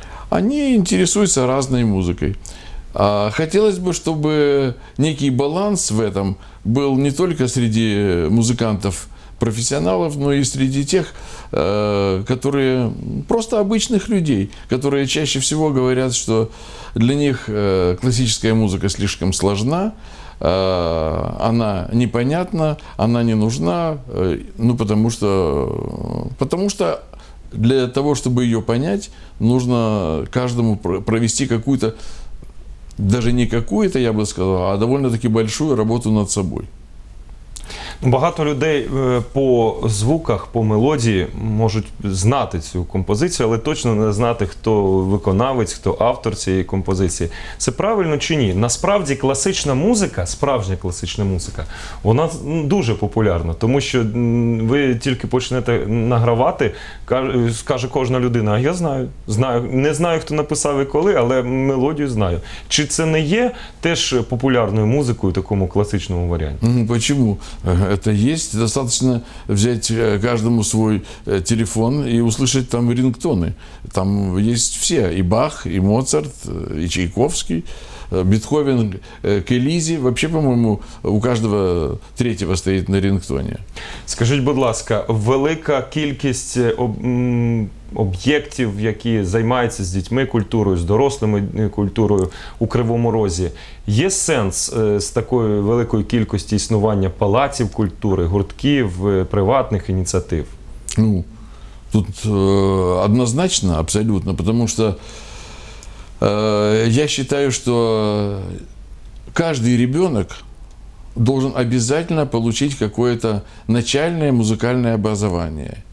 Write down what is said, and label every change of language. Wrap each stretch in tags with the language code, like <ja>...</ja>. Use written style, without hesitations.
<ru>Они интересуются разной музыкой. А хотелось бы, чтобы некий баланс в этом был не только среди музыкантов, профессионалов, но и среди тех, которые просто обычных людей, которые чаще всего говорят, что для них классическая музыка слишком сложна, она непонятна, она не нужна, ну потому что для того, чтобы ее понять, нужно каждому провести какую-то, даже не какую-то, я бы сказал, а довольно-таки большую работу над собой.</ru> <uk>Багато людей по звуках, по мелодії можуть знати цю композицію, але точно не знати, хто виконавець, хто автор цієї композиції. Це правильно чи ні? Насправді класична музика, справжня класична музика, вона дуже популярна, тому що ви тільки почнете награвати, каже кожна людина, а я знаю, не знаю, хто написав і коли, але мелодію знаю. Чи це не є теж популярною музикою в такому класичному варіанті?</uk> <ru>Почему? Это есть. Достаточно взять каждому свой телефон и услышать там рингтоны. Там есть все. И Бах, и Моцарт, и Чайковский, Бетховен, к Элизе. Вообще, по-моему, у каждого третьего стоит на рингтоне.</ru> <uk>Скажіть, будь ласка, велика кількість об'єктів, які займаються з дітьми культурою, з дорослими культурою у Кривому Розі. Є сенс з такої великої кількості існування палаців культури, гуртків, приватних ініціатив? Ну, тут однозначно, абсолютно, тому що я вважаю, що кожен</uk> <ru>ребенок должен обязательно получить какое-то начальное музыкальное образование.</ru>